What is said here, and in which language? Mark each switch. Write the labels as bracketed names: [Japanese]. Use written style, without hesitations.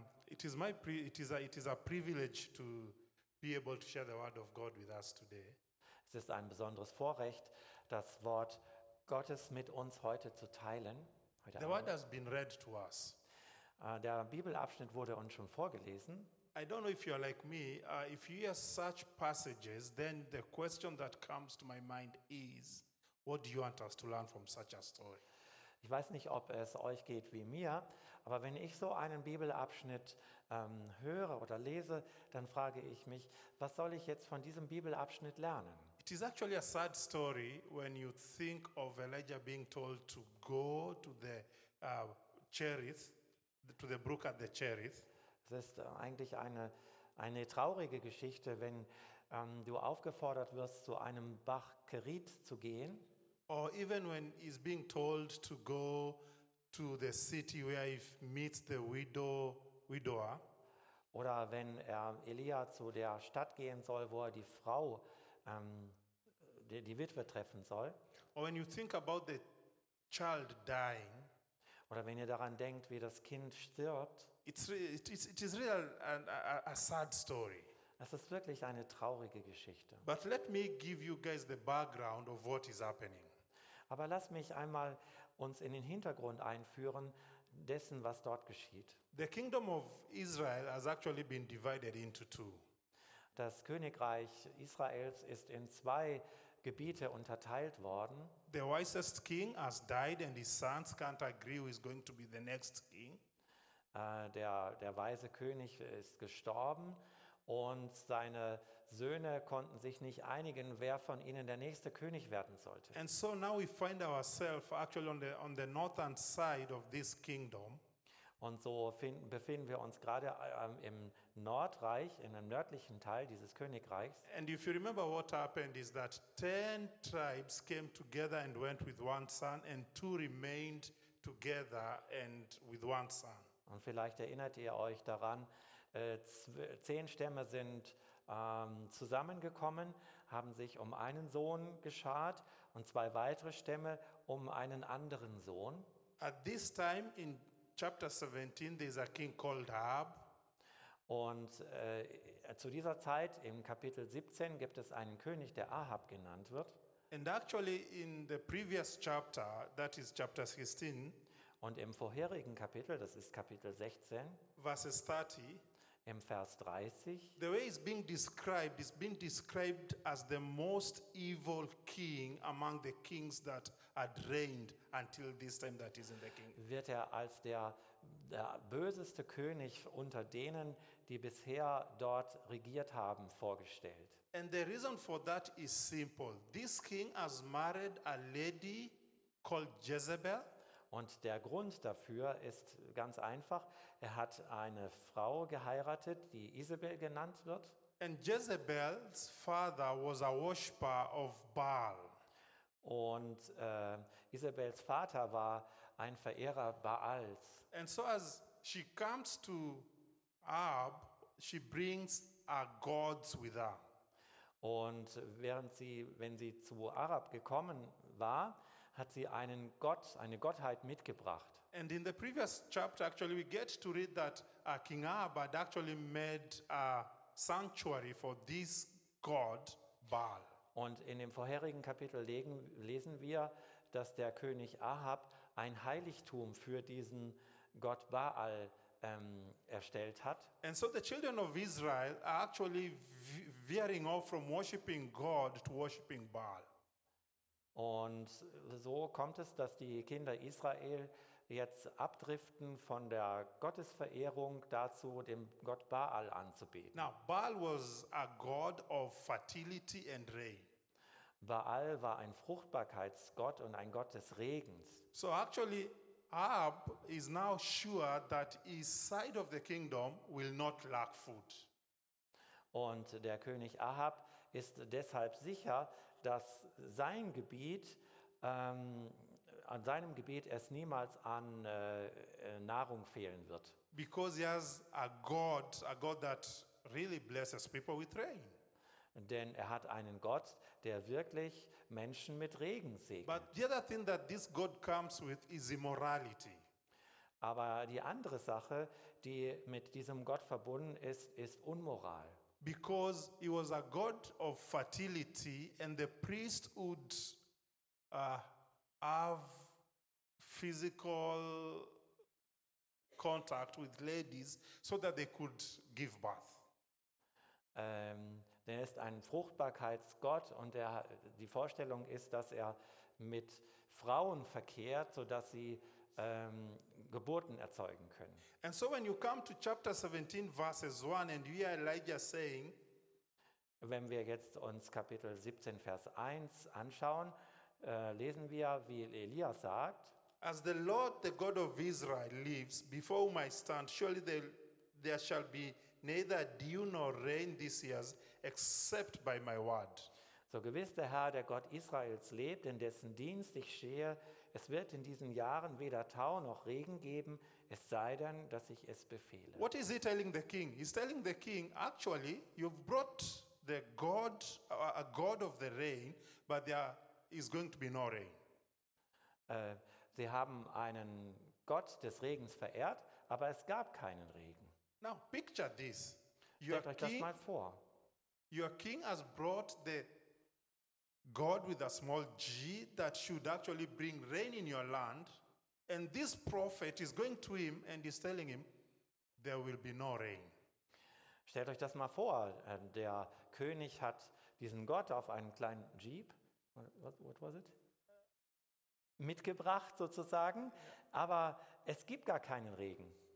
[English] It is a privilege to be able to share the word of God with us today. [German] Es ist ein besonderes Vorrecht, das Wort Gottes mit uns heute zu teilen. [English] The word has been read to us. [German] Der Bibelabschnitt wurde uns schon vorgelesen. [English] I don't know if you're like me. If you hear such passages, then the question that comes to my mind is, what do you want us to learn from such a story? [German] Ich weiß nicht, ob es euch geht wie mir, aber wenn ich so einen Bibelabschnitt höre oder lese, dann frage ich mich, was soll ich jetzt von diesem Bibelabschnitt lernen? [English] It is actually a sad story when you think of Elijah being told to go to the Cherith, to the brook at the Cherith. [German] Es ist eigentlich eine traurige Geschichte, wenn du aufgefordert wirst, zu einem Bach Kerit zu gehen. [English] Or even when he's being told to go to the city where he meets the widower. [German] Oder wenn Elia zu der Stadt gehen soll, wo er die Frau, die Witwe treffen soll. [English] Or when you think about the child dying. [German] Oder wenn ihr daran denkt, wie das Kind stirbt. [English] It is really a sad story. [German] Das ist wirklich eine traurige Geschichte. [English] But let me give you guys the background of what is happening. [German] Aber lass mich einmal uns in den Hintergrund einführen, dessen, was dort geschieht. [English] The kingdom of Israel has actually been divided into two. [German] Das Königreich Israels ist in zwei Gebiete unterteilt worden. [English] The wisest king has died and his sons can't agree who is going to be the next king. [German] Der weise König ist gestorben und seine Söhne konnten sich nicht einigen, wer von ihnen der nächste König werden sollte. [English] And so now we find ourselves actually on the northern side of this kingdom. [German] Und so befinden wir uns gerade im Nordreich, in einem nördlichen Teil dieses Königreichs. [English] And if you remember what happened is that 10 tribes came together and went with one son and two remained together and with one son. [German] Und vielleicht erinnert ihr euch daran, 10 Stämme sind zusammengekommen, haben sich um einen Sohn geschart und 2 weitere Stämme um einen anderen Sohn. [English] At this time in chapter 17 there is a king called Ahab. [German] Und zu dieser Zeit im Kapitel 17 gibt es einen König, der Ahab genannt wird. [English] And actually in the previous chapter, that is chapter 16, [German] und im vorherigen Kapitel, das ist Kapitel 16, [English] verses 30, [German] im Vers 30, [English] the way is being described as the most evil king among the kings that had reigned until this time that is in the kingdom. [German] Wird er als der böseste König unter denen, die bisher dort regiert haben, vorgestellt. [English] And the reason for that is simple. This king has married a lady called Jezebel. [German] Und der Grund dafür ist ganz einfach. Er hat eine Frau geheiratet, die Isabel genannt wird. [English] And Jezebel's father was a worshipper of Baal. [German] Und Isabels Vater war ein Verehrer Baals. [English] And so as she comes to Ab, she brings her gods with her. [German] Und während sie, wenn sie zu Arab gekommen war, hat sie einen Gott, eine Gottheit mitgebracht. [English] And in the previous chapter actually we get to read that King Ab had actually made a sanctuary for this god Baal. [German] Und in dem vorherigen Kapitel lesen wir, dass der König Ahab ein Heiligtum für diesen Gott Baal erstellt hat. [English] And so the children of Israel are actually veering off from worshiping God to worshiping Baal. [German] Und so kommt es, dass die Kinder Israel jetzt abdriften von der Gottesverehrung dazu, dem Gott Baal anzubeten. [English] Now, Baal was a god of fertility and rain. [German] Baal war ein Fruchtbarkeitsgott und ein Gott des Regens. [English] So actually, Ab is now sure that his side of the kingdom will not lack food. [German] Und der König Ahab ist deshalb sicher, dass sein Gebiet, an seinem Gebiet es niemals an Nahrung fehlen wird. [English] Because he has a God that really blesses people with rain. [German] Denn er hat einen Gott, der wirklich Menschen mit Regen segnet. [English] But the other thing that this God comes with is immorality. [German] Aber die andere Sache, die mit diesem Gott verbunden ist, ist Unmoral. [English] Because he was a god of fertility and the priest would have physical contact with ladies so that they could give birth. [German] Der ist ein Fruchtbarkeitsgott und der, die Vorstellung ist, dass er mit Frauen verkehrt, sodass sie Geburten erzeugen können. [English] And so when you come to chapter 17 verses 1 and you hear Elijah saying, [German] wenn wir jetzt uns Kapitel 17 Vers 1 anschauen, lesen wir, wie Elias sagt, [English] as the Lord the God of Israel lives, before whom I stand, surely there shall be neither dew nor rain this year except by my word. [German] So gewiss der Herr, der Gott Israels lebt, in dessen Dienst ich stehe, es wird in diesen Jahren weder Tau noch Regen geben, es sei denn, dass ich es befehle. [English] What is he telling the king? He's telling the king, actually, you've brought the God, a God of the rain, but there is going to be no rain. [German] Sie haben einen Gott des Regens verehrt, aber es gab keinen Regen. [English] Now, picture this. [German] Stellt euch das mal vor. [English] Your king has brought the God with a small g that should actually bring rain in your land, and this prophet is going to him and is telling him there will be no rain. [German] Stellt euch das mal vor, der König hat diesen Gott auf einen kleinen Jeep, [English] what was it, [German] mitgebracht sozusagen, aber es gibt gar keinen Regen.